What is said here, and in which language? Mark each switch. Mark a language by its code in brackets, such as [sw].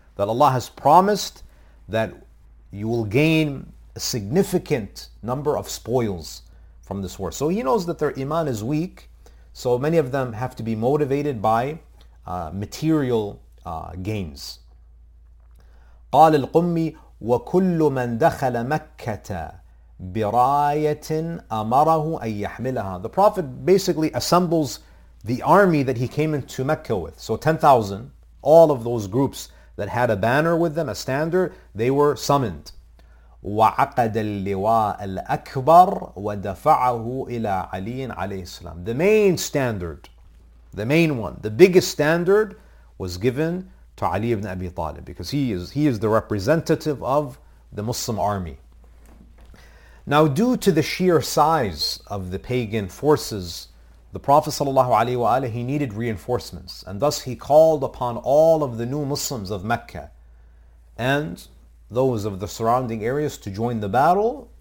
[en] That Allah has promised that you will gain a significant number of spoils from this war. So he knows that their iman is weak, so many of them have to be motivated by material gains. [ar] قال القمي وكل من دخل مكة براية أمره أن يحملها. [en] The Prophet basically assembles the army that he came into Mecca with. So 10,000, all of those groups that had a banner with them, a standard, they were summoned. [ar] وعقد اللواء الأكبر ودفعه إلى علي عليه السلام. [en] The main standard, the main one, the biggest standard was given to Ali ibn Abi Talib, because he is the representative of the Muslim army. Now, due to the sheer size of the pagan forces, the Prophet sallallahu alaihi wa alihi, he needed reinforcements, and thus he called upon all of the new Muslims of Mecca and those of the surrounding areas to join the battle.